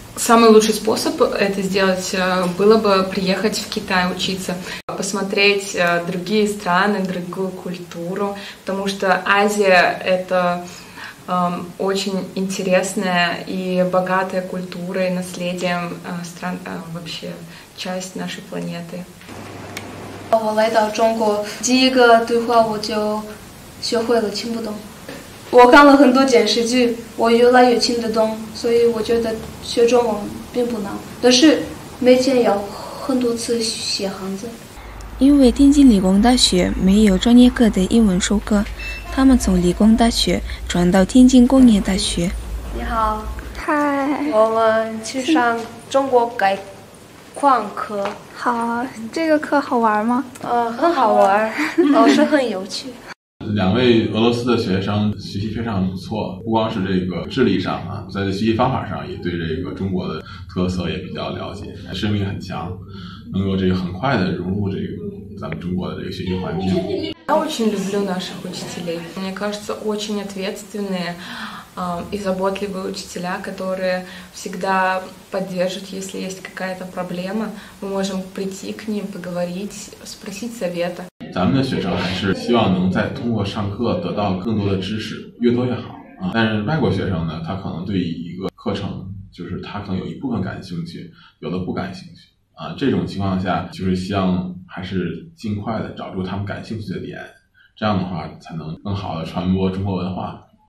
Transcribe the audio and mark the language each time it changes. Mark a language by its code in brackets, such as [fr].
[ru] Самый лучший способ это сделать было бы приехать в Китай учиться, посмотреть другие страны, другую культуру, потому что Азия — это очень интересная и богатая культурой, наследием стран, вообще часть нашей планеты. Я пришла в Китай, первый разговор я научилась читать. [zh] 我看了很多电视剧，我越来越听得懂，所以我觉得学中文并不难，但是每天要很多次写汉字。因为天津理工大学没有专业课的英文授课，他们从理工大学转到天津工业大学。你好，嗨，我们去上中国改矿科。好，这个课好玩吗？很好玩，老师很有趣。两位俄罗斯的学生学习非常不错，不光是这个智力上啊，在学习方法上也对这个中国的特色也比较了解，适应力很强，能够这个很快的融入这个咱们中国的这个学习环境。 [ru] Я очень люблю наших учителей. Мне кажется, очень ответственные и заботливые учителя, которые всегда поддержат, если есть какая-то проблема, мы можем прийти к ним, поговорить, спросить совета. [zh] 咱们的学生还是希望能再通过上课得到更多的知识，越多越好啊。但是外国学生呢，他可能对一个课程，就是他可能有一部分感兴趣，有的不感兴趣啊。这种情况下，就是希望还是尽快的找住他们感兴趣的点，这样的话才能更好的传播中国文化。